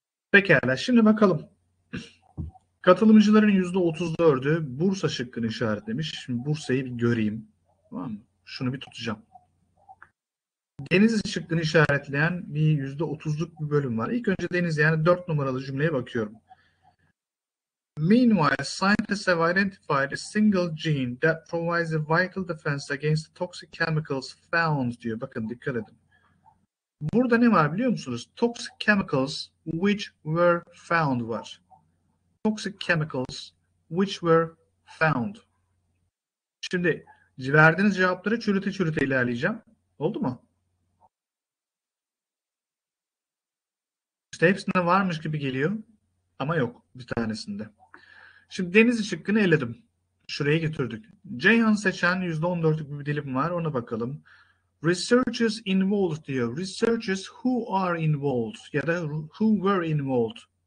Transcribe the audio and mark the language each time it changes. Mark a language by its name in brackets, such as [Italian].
[Turkish] Pekala, şimdi bakalım. Katılımcıların %34'ü Bursa şıkkını işaretlemiş. Şimdi Bursa'yı bir göreyim. Tamam mı? Şunu bir tutacağım. Denizli şıkkını işaretleyen bir %30'luk bir bölüm var. İlk önce Deniz, yani 4 numaralı cümleye bakıyorum. [English] Meanwhile, scientists have identified a single gene that provides a vital defense against toxic chemicals found [Turkish] diyor. Bakın dikkat edin. Burada ne var biliyor musunuz? [English] Toxic chemicals which were found var. Toxic chemicals which were found. [Turkish] Şimdi verdiğiniz cevapları çürüte çürüte ilerleyeceğim. Oldu mu? İşte hepsinde varmış gibi geliyor. Ama yok bir tanesinde. Şimdi Denizli şıkkını eledim. Şuraya getirdik. Ceyhan seçen %14'lük bir dilim var. Ona bakalım. [English] Researchers involved [Turkish] diyor. [English] Researchers who are involved [Turkish] ya da [English] who were involved.